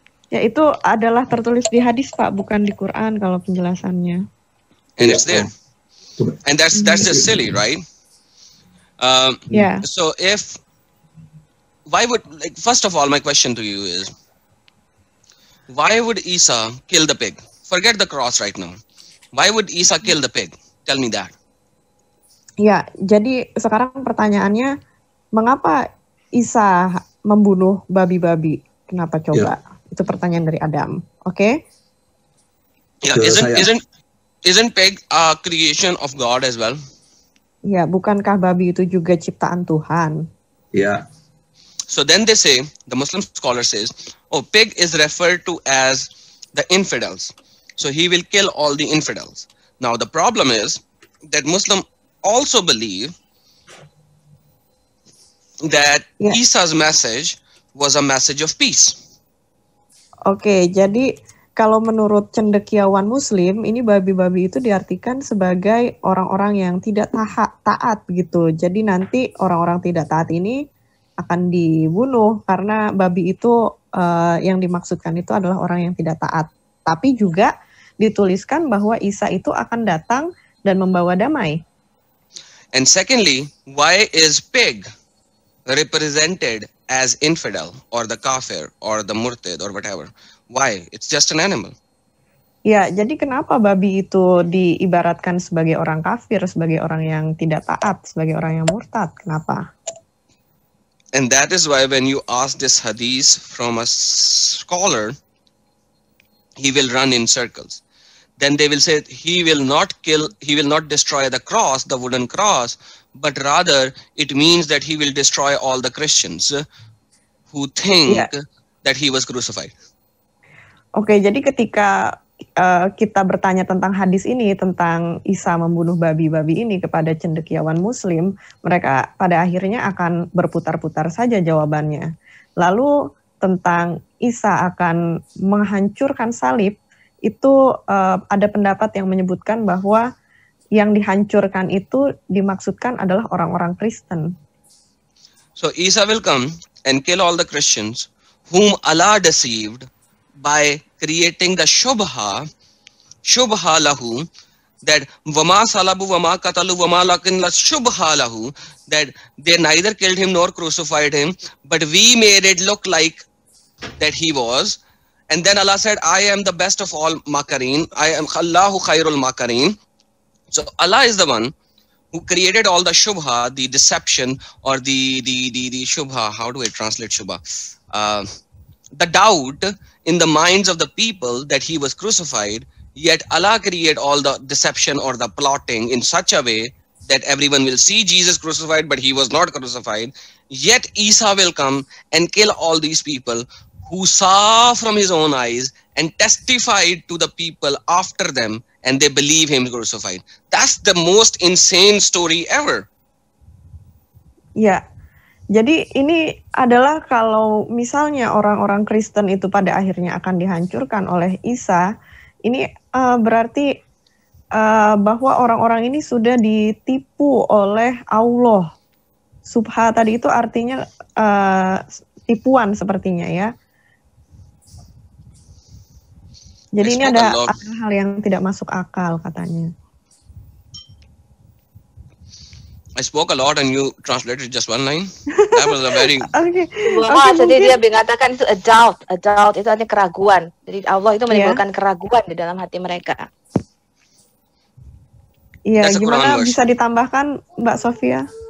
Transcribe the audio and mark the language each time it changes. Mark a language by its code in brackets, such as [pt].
[id] Ya, itu adalah tertulis di hadis, Pak, bukan di Quran kalau penjelasannya. [en] And it's there. And that's just silly, right? So if why would first of all my question to you is, why would Isa kill the pig? Forget the cross right now. Why would Isa kill the pig? Tell me that. [id] Ya, jadi sekarang pertanyaannya, mengapa Isa membunuh babi-babi? Kenapa coba? Yeah. Itu pertanyaan dari Adam. Oke? [en] Okay? Yeah, isn't pig a creation of God as well? [id] Ya, bukankah babi itu juga ciptaan Tuhan? Ya. Yeah. [en] So then they say, the Muslim scholar says, oh, pig is referred to as the infidels. So he will kill all the infidels. Now the problem is that Muslim also believe that Isa's message was a message of peace. [id] Okay, jadi kalau menurut cendekiawan Muslim, ini babi-babi itu diartikan sebagai orang-orang yang tidak taat gitu. Jadi nanti orang-orang tidak taat ini akan dibunuh karena babi itu yang dimaksudkan itu adalah orang yang tidak taat. Tapi juga dituliskan bahwa Isa itu akan datang dan membawa damai. [en] And secondly, why is pig represented as infidel or the kafir or the murtad or whatever? Why? It's just an animal. [id] Ya, jadi kenapa babi itu diibaratkan sebagai orang kafir, sebagai orang yang tidak taat, sebagai orang yang murtad? Kenapa? [en] And that is why when you ask this hadith from a scholar, he will run in circles. Then they will say he will not kill, he will not destroy the cross, the wooden cross, but rather it means that he will destroy all the Christians who think that he was crucified. [id] Okay, jadi ketika kita bertanya tentang hadis ini, tentang Isa membunuh babi-babi ini kepada cendekiawan muslim, mereka pada akhirnya akan berputar-putar saja jawabannya. Lalu tentang Isa akan menghancurkan salib, itu ada pendapat yang menyebutkan bahwa yang dihancurkan itu dimaksudkan adalah orang-orang Kristen. [en] So Isa will come and kill all the Christians whom Allah deceived by creating the shubha lahu, that [ar] vama salabu vama katalu vama lakin la shubha lahu, [en] that they neither killed him nor crucified him, but we made it look like that he was. And then Allah said, I am the best of all makareen, I am [ar] Allahu khairul makareen. [en] So Allah is the one who created all the shubha, the deception, or the shubha, how do I translate shubha, the doubt in the minds of the people that he was crucified. Yet Allah created all the deception or the plotting in such a way that everyone will see Jesus crucified, but he was not crucified. Yet Isa will come and kill all these people who saw from his own eyes and testified to the people after them, and they believe him crucified. That's the most insane story ever. Yeah. [id] Jadi ini adalah kalau misalnya orang-orang Kristen itu pada akhirnya akan dihancurkan oleh Isa, ini berarti bahwa orang-orang ini sudah ditipu oleh Allah. Subha tadi itu artinya tipuan sepertinya ya. Jadi ini ada hal yang tidak masuk akal katanya. [en] I spoke a lot and you translated just one line. That was a very... [id] Jadi dia mengatakan itu [en] a doubt, [id] itu artinya keraguan. Jadi Allah itu menimbulkan keraguan di dalam hati mereka. Iya, gimana bisa ditambahkan Mbak Sofia?